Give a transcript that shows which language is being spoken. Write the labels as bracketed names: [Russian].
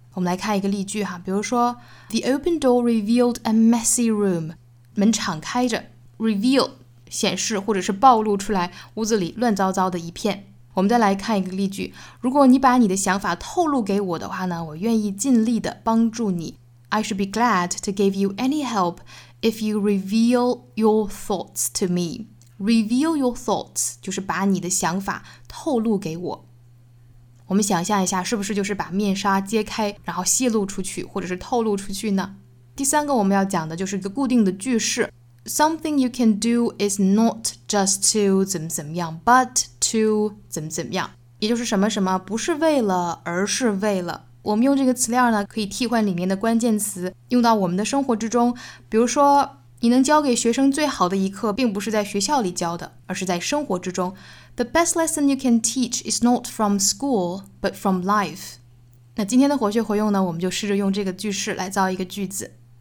[Chinese] 我们来看一个例句哈，比如说 ， [English] The open door revealed a messy room， [Chinese] 门敞开着 ，reveal 显示或者是暴露出来，屋子里乱糟糟的一片。我们再来看一个例句，如果你把你的想法透露给我的话呢，我愿意尽力的帮助你。 [English] I should be glad to give you any help if you reveal your thoughts to me. Reveal your thoughts [Chinese] 就是把你的想法透露给我。我们想象一下，是不是就是把面纱揭开，然后泄露出去，或者是透露出去呢？第三个我们要讲的就是一个固定的句式 ， [English] Something you can do is not just to [Chinese] 怎么怎么样 ， [English] but to [Chinese] 怎么怎么样，也就是什么什么不是为了，而是为了。我们用这个词链呢，可以替换里面的关键词，用到我们的生活之中，比如说。你能教给学生最好的一课并不是在学校里教的，而是在生活之中。 [English] The best lesson you can teach is not from school, but from life. [Chinese] 那今天的活学活用呢，我们就试着用这个句式来造一个句子。